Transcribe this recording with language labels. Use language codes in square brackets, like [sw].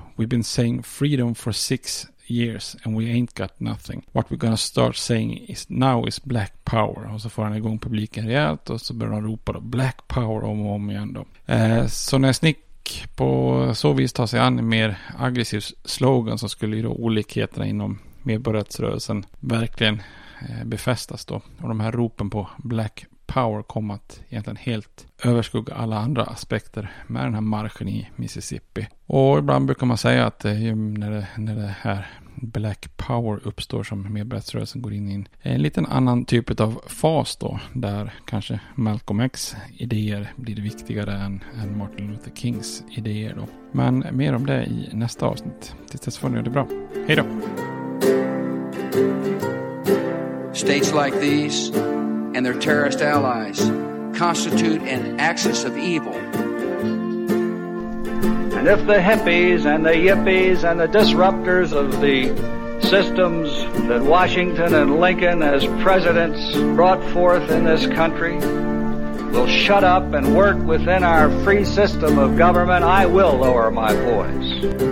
[en] We've been saying freedom for 6 years and we ain't got nothing. What we're gonna start saying is now is black power. [sv] Och så får han igång publiken rejält och så börjar de ropa då black power om och om igen då. Så när SNCC på så vis tar sig an en mer aggressiv slogan så skulle ju då olikheterna inom medborgarrättsrörelsen verkligen befästas då. Och de här ropen på black power kom att egentligen helt överskugga alla andra aspekter med den här marschen i Mississippi. Och ibland brukar man säga att när det här Black Power uppstår som medborgarrörelsen går in i en liten annan typ av fas då, där kanske Malcolm X idéer blir viktigare än Martin Luther Kings idéer då. Men mer om det i nästa avsnitt. Tills dess får ni göra det bra. Hej då! [en] States like these and their terrorist allies constitute an axis of evil. And if the hippies and the yippies and the disruptors of the systems that Washington and Lincoln as presidents brought forth in this country will shut up and work within our free system of government, I will lower my voice.